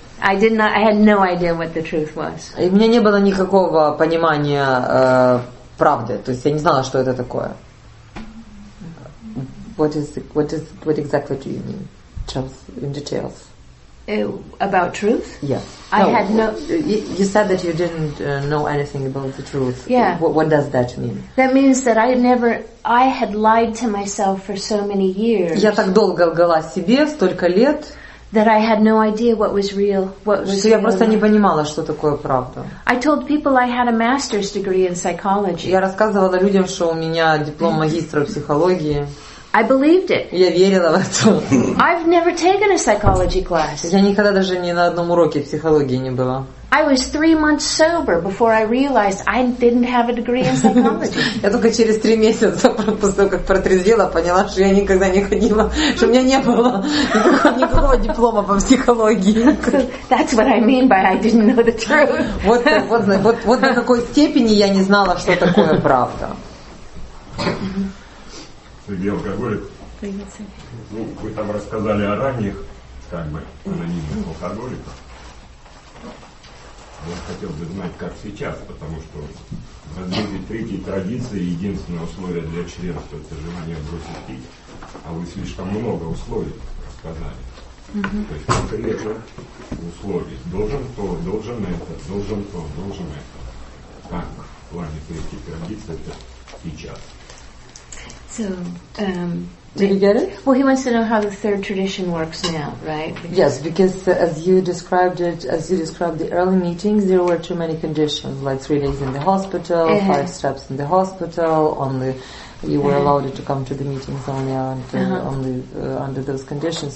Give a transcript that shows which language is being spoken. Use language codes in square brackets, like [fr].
[en] I did not, I had no idea what the truth was. [ru] И у меня не было никакого понимания правды. То есть я не знала, что это такое. [en] What is what exactly do you mean? Tells in details. About truth? Yeah. I had no. You said that you didn't know anything about the truth. Yeah. What does that mean? That means that I had lied to myself for so many years. [ru] Я так долго лгала себе, столько лет. [en] That I had no idea what was real. [ru] Я просто не понимала, что такое правда. [en] I told people I had a master's degree in psychology. [ru] Я рассказывала людям, что у меня диплом магистра психологии. [en] I believed it. [ru] Я верила в это. [en] I've never taken a psychology class. [ru] Я никогда даже ни на одном уроке психологии не была. [en] I was 3 months sober before I realized I didn't have a degree in psychology. [ru] Я только через 3 месяца после того, как протрезвела, поняла, что я никогда не ходила, что у меня не было никакого диплома по психологии. [en] That's what I mean by I didn't know the truth. [ru] Вот до какой степени я не знала, что такое правда. Сергей алкоголик. Привет. Ну, вы там рассказали о ранних, как бы, анонимных алкоголиках. Я хотел бы знать, как сейчас, потому что в развитии третьей традиции единственное условие для членства – это желание бросить пить, а вы слишком много условий рассказали. То есть конкретно условий. Должен то, должен это, должен то, должен это. Как в плане третьей традиции – это сейчас. [en] So, did you get it? Well, he wants to know how the third tradition works now, right? Because yes, because as you described the early meetings, there were too many conditions, like 3 days in the hospital, five steps in the hospital, you were allowed to come to the meetings only under those conditions.